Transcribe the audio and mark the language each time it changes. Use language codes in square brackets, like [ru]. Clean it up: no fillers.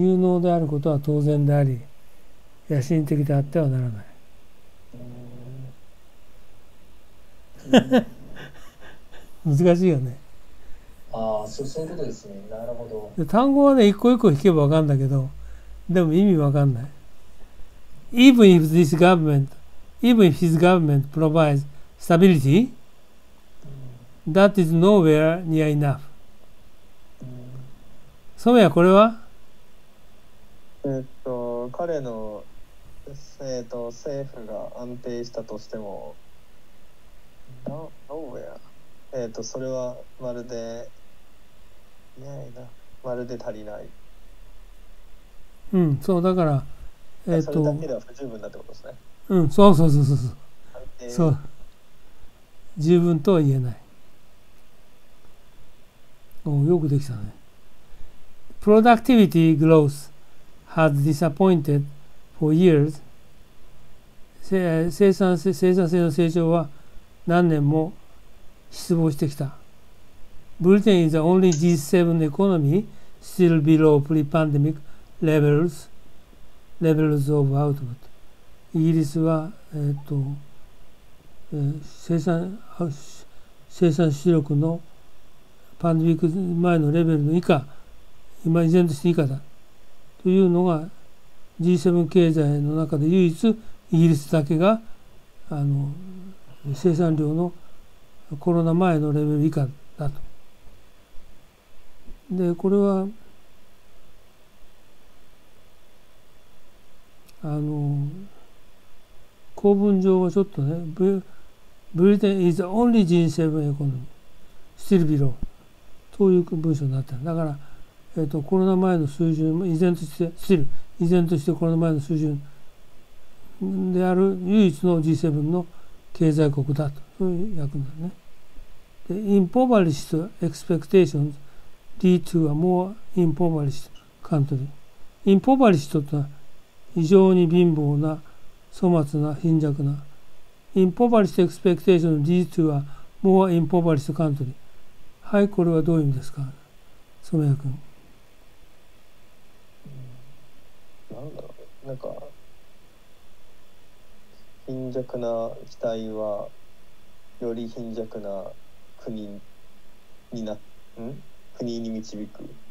[ja] 有能であることは当然であり、野心的であってはならない。難しいよね。ああ、そういうことですね。なるほど。で、単語はね、一個一個引けば分かるんだけど、でも意味分かんない。 [en] Even if this government, even if his government provides stability, that is nowhere near enough. [ja] ソメヤ、これは？彼の、政府が安定したとしても、nowhere。それはまるで、まるで足りない。うん、そうだから、それだけでは不十分だってことですね。うん、そうそうそうそう。そう。十分とは言えない。おお、よくできたね。 [en] Productivity growth has disappointed for years。 [ja] 生産性の成長は何年も失望してきた。 [en] Britain is the only G7 economy still below pre-pandemic levels of output. [ja] イギリスは、生産出力のパンデミック前のレベルの以下、今依然として以下だ。というのが G7 経済の中で唯一イギリスだけが生産量のコロナ前のレベル以下だと。で、これは、構文上はちょっとね、 [en] Britain is the only G7 economy, still below, [ja] という文章になってる。だから、コロナ前の水準も依然として、依然としてコロナ前の水準である唯一の G7 の経済国だと、そういう訳なんだね。 [en] Impoverished expectations,Lead to a more impoverished country. [ja] Impoverished とは非常に貧乏な、粗末な、貧弱な。 [en] Impoverished expectation lead to a more impoverished country. [ja] はい、これはどういう意味ですか、染谷君。なんだろう、貧弱な期待はより貧弱な国になっ、国に導く。